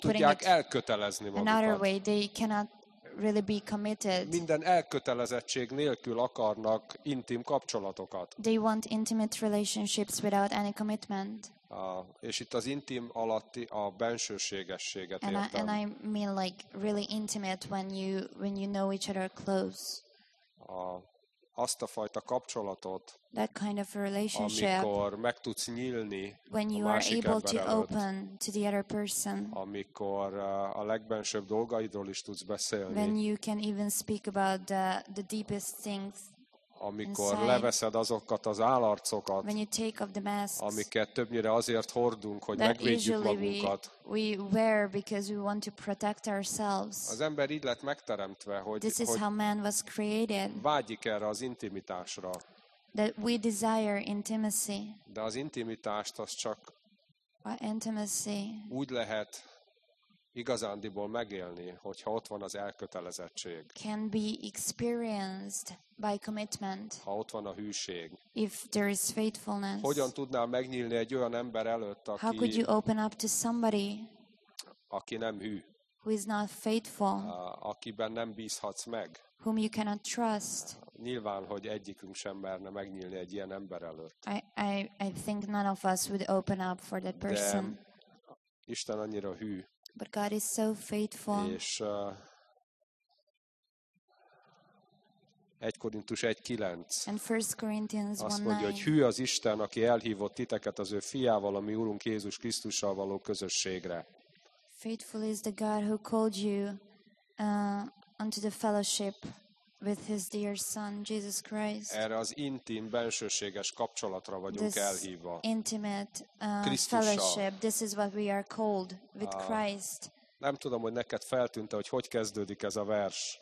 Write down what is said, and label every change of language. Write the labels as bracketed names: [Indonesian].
[Hungarian] tudják elkötelezni magukat. [English] Another way they cannot really be committed. [Hungarian] Minden elkötelezettség nélkül akarnak intim kapcsolatokat. [English] They want intimate relationships without any commitment. [Hungarian] És itt az intim alatti a bensőségességet [English] and [Hungarian] értem. [English] And I mean like really intimate when you know each other close. [Hungarian] Azt a fajta kapcsolatot, [English] that kind of relationship, [Hungarian] amikor meg tudsz nyílni [English] when you [Hungarian] a másik [English] are able [Hungarian] ember [English] to open to the other person, [Hungarian] amikor a legbensőbb dolgaidról is tudsz beszélni, [English] when you can even speak about the deepest things, [Hungarian] amikor [English] inside, [Hungarian] leveszed azokat az álarcokat, [English] when you take off the masks, [Hungarian] amiket többnyire azért hordunk, hogy megvédjük magunkat. [English] We wear because we want to protect ourselves. [Hungarian] Az ember így lett megteremtve, hogy [English] this is [Hungarian] hogy [English] how man was created. [Hungarian] Vágyik erre az intimitásra. [English] That we desire intimacy. [Hungarian] De az intimitást az csak [English] our intimacy [Hungarian] úgy lehet igazándiból megélni, hogyha ott van az elkötelezettség. [English] Can be experienced by commitment. [Hungarian] Ha ott van a hűség. [English] If there is faithfulness. [Hungarian] Hogyan tudnál megnyílni egy olyan ember előtt, aki [English] how could you open up to somebody, [Hungarian] aki nem hű, [English] who is not faithful, [Hungarian] akiben nem bízhatsz meg, [English] whom you cannot trust. [Hungarian] Nyilván, hogy egyikünk sem merne megnyílni egy ilyen ember előtt. [English] I think none of us would open up for that person. [Hungarian] De Isten annyira hű. [English] But God is so faithful. [Hungarian] És 1 Korintus 1:9. [English] And 1 Corinthians 1:9. [Hungarian] Azt mondja, hogy hű az Isten, aki elhívott titeket az ő fiával, a mi Úrunk Jézus Krisztussal való közösségre. [English] Faithful is the God who called you unto the fellowship with his dear son Jesus Christ. [Hungarian] Erre az intim bensőséges kapcsolatra vagyunk elhívva. [English] This intimate fellowship, this is what we are called with Christ. [Hungarian] Nem tudom, hogy neked feltűnte, hogy hogy kezdődik ez a vers.